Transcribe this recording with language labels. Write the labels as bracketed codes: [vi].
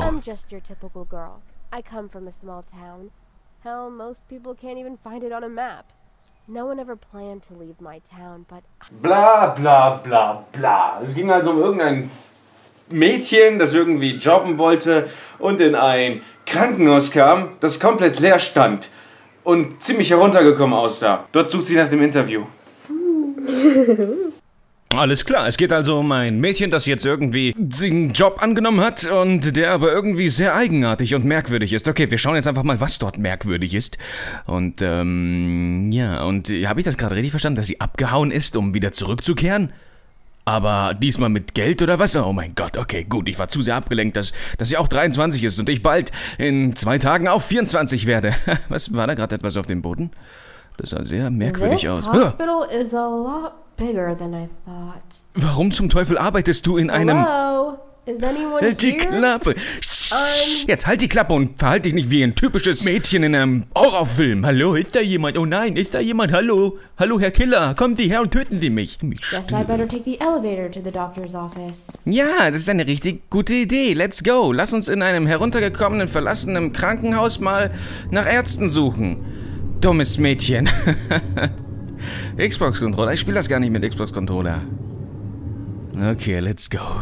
[en] I'm just your typical girl. I come from a small town. Hell, most people can't even find it on a map. No one ever planned to leave my town, but... Bla, bla, bla, bla. [de] Es ging also um irgendein Mädchen, das irgendwie jobben wollte und in ein Krankenhaus kam, das komplett leer stand und ziemlich heruntergekommen aussah. Dort sucht sie nach dem Interview. Alles klar, es geht also um ein Mädchen, das jetzt irgendwie einen Job angenommen hat und der aber irgendwie sehr eigenartig und merkwürdig ist. Okay, wir schauen jetzt einfach mal, was dort merkwürdig ist. Und habe ich das gerade richtig verstanden, dass sie abgehauen ist, um wieder zurückzukehren? Aber diesmal mit Geld oder was? Oh mein Gott, okay, gut, ich war zu sehr abgelenkt, dass sie auch 23 ist und ich bald in 2 Tagen auch 24 werde. Was, war da gerade etwas auf dem Boden? Das sah sehr merkwürdig aus. [en] This hospital is a lot bigger than I thought. [de] Warum zum Teufel arbeitest du in einem... Halt die Klappe! Jetzt halt die Klappe und verhalte dich nicht wie ein typisches Mädchen in einem Horrorfilm. Hallo, ist da jemand? Oh nein, ist da jemand? Hallo? Hallo, Herr Killer, kommen Sie her und töten Sie mich. Mich stören. [en] Guess I better take the elevator to the doctor's office. [de] Ja, das ist eine richtig gute Idee. [en] Let's go. [de] Lass uns in einem heruntergekommenen, verlassenen Krankenhaus mal nach Ärzten suchen. Dummes Mädchen. Xbox-Controller? Ich spiele das gar nicht mit Xbox-Controller. Okay, [en] let's go.